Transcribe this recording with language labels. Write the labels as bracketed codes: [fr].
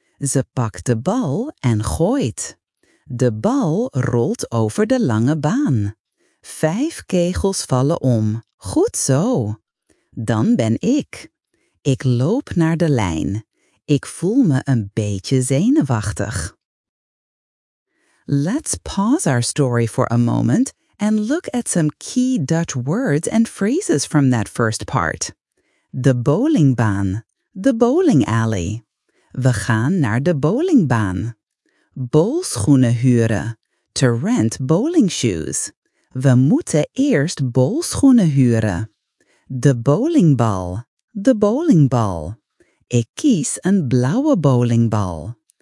[nl] Ze pakt de bal en gooit. De bal rolt over de lange baan. 5 kegels vallen om. Goed zo. Dan ben ik. Ik loop naar de lijn. Ik voel me een beetje zenuwachtig. [en] Let's pause our story for a moment and look at some key Dutch words and phrases from that first part. The bowlingbaan. The bowling alley. [nl] We gaan naar de bowlingbaan. Bowlschoenen huren. [en] To rent bowling shoes. [nl] We moeten eerst bowlschoenen huren. De bowlingbal. De bowlingbal. Ik kies een blauwe bowlingbal.